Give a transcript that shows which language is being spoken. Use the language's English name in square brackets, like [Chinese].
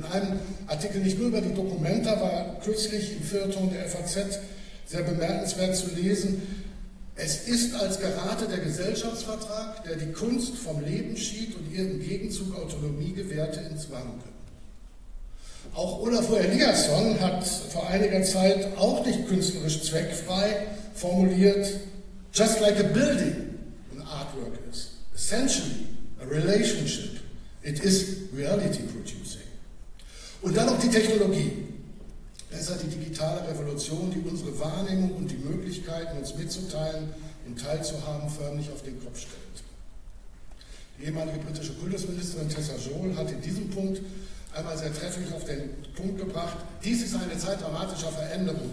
[German] In einem Artikel nicht nur über die Documenta war kürzlich im Feuilleton der FAZ sehr bemerkenswert zu lesen, es ist, als gerate der Gesellschaftsvertrag, der die Kunst vom Leben schied und ihr im Gegenzug Autonomie gewährte, ins Wanken. Auch Olafur Eliasson hat vor einiger Zeit auch nicht künstlerisch zweckfrei formuliert, [English] just like a building an artwork is, essentially a relationship. It is reality producing. [German] Und dann noch die Technologie. Besser die digitale Revolution, die unsere Wahrnehmung und die Möglichkeiten, uns mitzuteilen und teilzuhaben, förmlich auf den Kopf stellt. Die ehemalige britische Kultusministerin Tessa Joel hat in diesem Punkt einmal sehr trefflich auf den Punkt gebracht, dies ist eine Zeit dramatischer Veränderung.